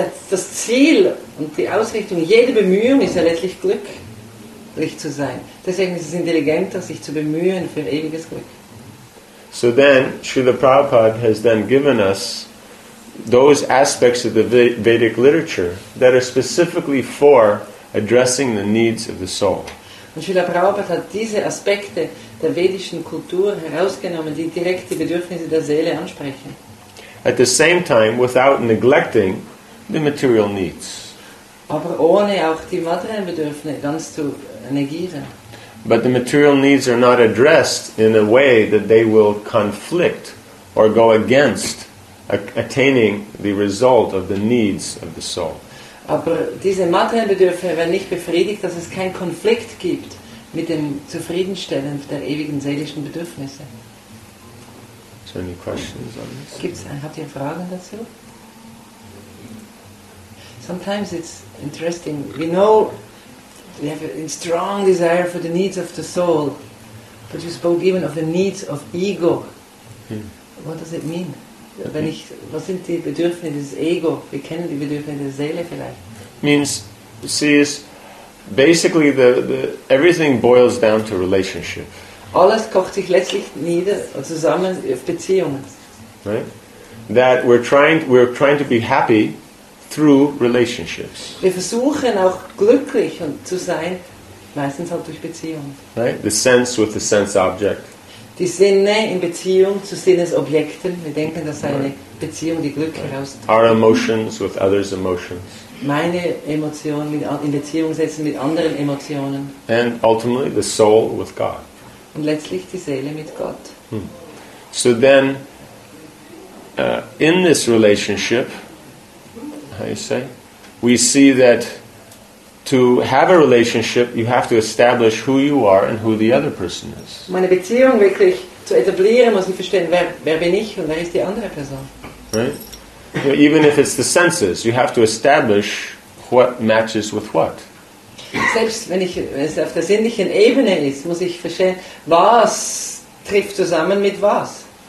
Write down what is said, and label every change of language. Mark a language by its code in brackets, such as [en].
[de] Das Ziel und die Ausrichtung, jede Bemühung ist ja letztlich glücklich zu sein. Deswegen ist es intelligenter, sich zu bemühen für ewiges Glück. [en] So then, Srila Prabhupada has then given us those aspects of the Vedic literature that are specifically for addressing the needs of the soul. [de] Und Srila Prabhupada hat diese Aspekte der vedischen Kultur herausgenommen, die direkt die Bedürfnisse der Seele ansprechen. [en] At the same time, without neglecting the material needs. [de] Aber ohne auch die materiellen Bedürfnisse ganz zu negieren. [en] But the material needs are not addressed in a way that they will conflict or go against attaining the result of the needs of the soul. [de] Aber diese materiellen Bedürfnisse werden nicht befriedigt, dass es keinen Konflikt gibt mit dem Zufriedenstellen der ewigen seelischen Bedürfnisse. [en] So any questions on this? [de] Gibt's, habt ihr Fragen dazu? [en] Sometimes it's interesting. We know we have a strong desire for the needs of the soul, but you spoke even of the needs of ego. Hmm. What does it mean? [de] Wenn ich, was sind die Bedürfnisse des Ego? Wir kennen die Bedürfnisse der Seele vielleicht. [en] Means, see, is basically the everything boils down to relationship. [de] Alles kocht sich letztlich nieder zusammen auf Beziehungen. [en] Right? That we're trying to be happy through relationships. [de] Wir versuchen auch glücklich zu sein, meistens halt durch Beziehungen. [en] Right? The sense with the sense object. [de] Die Sinne in Beziehung zu Sinnesobjekten. Wir denken, das sei eine Beziehung, die Glück herausbringt. [en] Our emotions with others' emotions. [de] Meine Emotionen in Beziehung setzen mit anderen Emotionen. [en] And ultimately the soul with God. [de] Und letztlich die Seele mit Gott. Hmm. [en] So then, in this relationship, how you say, we see that to have a relationship, you have to establish who you are and who the other person is. [de] Meine Beziehung wirklich zu etablieren, muss ich verstehen, wer bin ich und wer ist die andere Person. [en] Right? Even if it's the senses, you have to establish what matches with what. [de] Selbst wenn es auf der sinnlichen Ebene ist, muss ich verstehen, was trifft zusammen mit was.